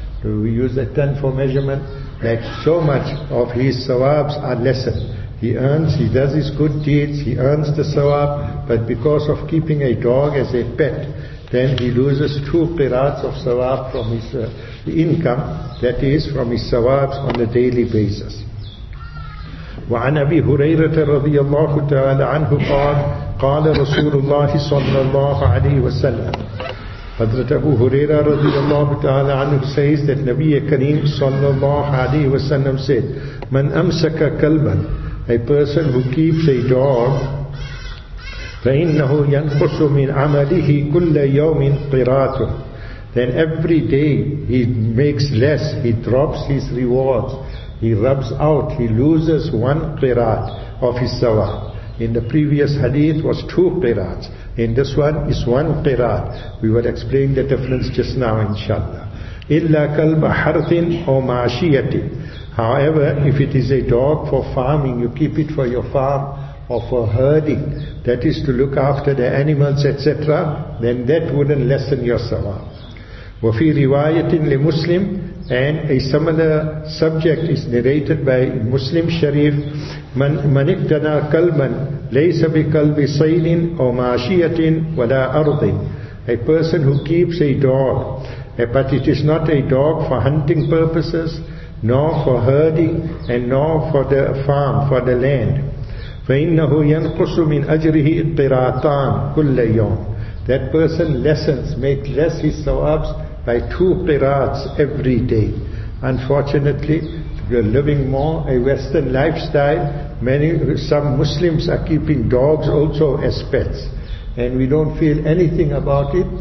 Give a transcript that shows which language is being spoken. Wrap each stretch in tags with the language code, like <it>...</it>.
<en>We use a ton for measurement, like so much of his sawabs are lessened. He earns, he does his good deeds, he earns the sawab, but because of keeping a dog as a pet, then he loses two qirats of sawab from his income, that is, from his sawabs on a daily basis.</en> <ar>وعن أبي هريرة رضي الله تعالى عنه قال قال رسول الله صلى الله عليه وسلم. حضرت أبو هريرة رضي الله تعالى عنه</ar> <en>says that</en> <ar>نبي كريم صلى الله عليه وسلم</ar> <en>said</en> <ar>من أمسك كلبا,</ar> <en>a person who keeps a dog,</en> <ar>فإنه ينقص من عمله كل يوم قراته,</ar> <en>then every day he makes less, he drops his rewards, he rubs out, he loses one qirat of his sawab. In the previous hadith was two qirats. In this one is one qirat. We will explain the difference just now, inshallah.</en> <ar>إِلَّا كَلْبَ حَرْثٍ أَوْ مَعَشِيَةٍ.</ar> <en>However, if it is a dog for farming, you keep it for your farm or for herding, that is to look after the animals, etc., then that wouldn't lessen your sawab.</en> <ar>وَفِي رِوَايَةٍ لِمُسْلِمٍ.</ar> <en>And a similar subject is narrated by Muslim Sharif.</en> <ar>من اقتنى كلبا ليس بكلب صيد أو ماشية ولا أرض.</ar> <en>A person who keeps a dog, but it is not a dog for hunting purposes, nor for herding, and nor for the farm, for the land.</en> <ar>فإنه ينقص من أجره قراطان كل يوم.</ar> <en>That person lessens, make less his sawabs by two qirats every day. Unfortunately, we are living more a Western lifestyle. Some Muslims are keeping dogs also as pets, and we don't feel anything about it.</en>